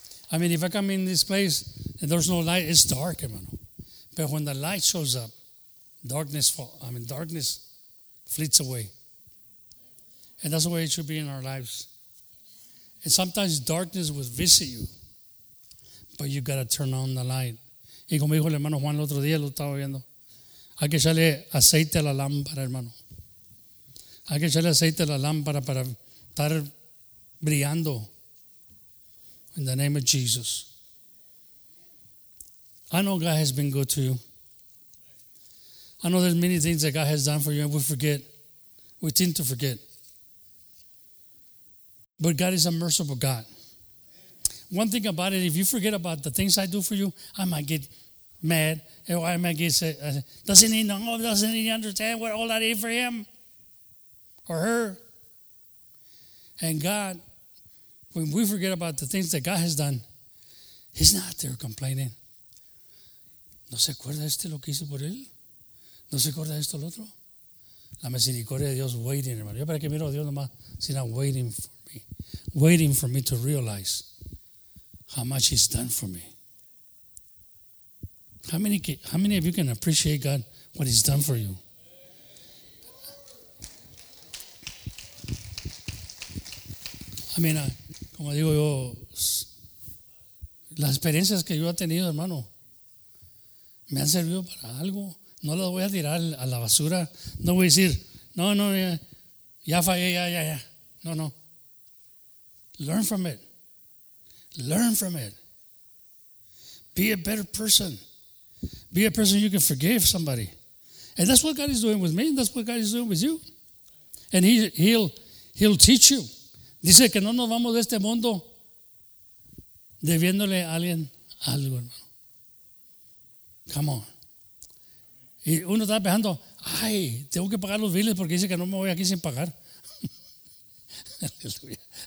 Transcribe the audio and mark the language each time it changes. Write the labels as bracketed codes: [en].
[en] I mean, if I come in this place and there's no light, it's dark, hermano. But when the light shows up, darkness flits away. And that's the way it should be in our lives. And sometimes darkness will visit you, but you gotta turn on the light. [es] Y como dijo el hermano Juan el otro día, lo estaba viendo. Hay que echarle aceite a la lámpara, hermano. Hay que echarle aceite a la lámpara para estar brillando. [en] In the name of Jesus. I know God has been good to you. I know there's many things that God has done for you, and we forget. We tend to forget. But God is a merciful God. One thing about it, if you forget about the things I do for you, I might get mad. Or I might get sick. Doesn't he know? Doesn't he understand what all I did for him or her? And God, when we forget about the things that God has done, he's not there complaining. [es] ¿No se acuerda este lo que hice por él? ¿No se acuerda esto lo otro? La misericordia de Dios [en] waiting, [es] hermano. Yo para que miro a Dios nomás, sino [en] waiting for. Waiting for me to realize how much he's done for me. How many of you can appreciate God what he's done for you? I mean, [es] como digo yo, las experiencias que yo he tenido, hermano, me han servido para algo. No lo voy a tirar a la basura. No voy a decir, no, no, ya fallé, ya. No, no. [en] Learn from it. Learn from it. Be a better person. Be a person you can forgive somebody. And that's what God is doing with me, and that's what God is doing with you. And he'll teach you. [es] Dice que no nos vamos de este mundo debiéndole a alguien algo, hermano. [en] Come on. [es] Y uno está pensando, ay, tengo que pagar los biles porque dice que no me voy aquí sin pagar. Aleluya.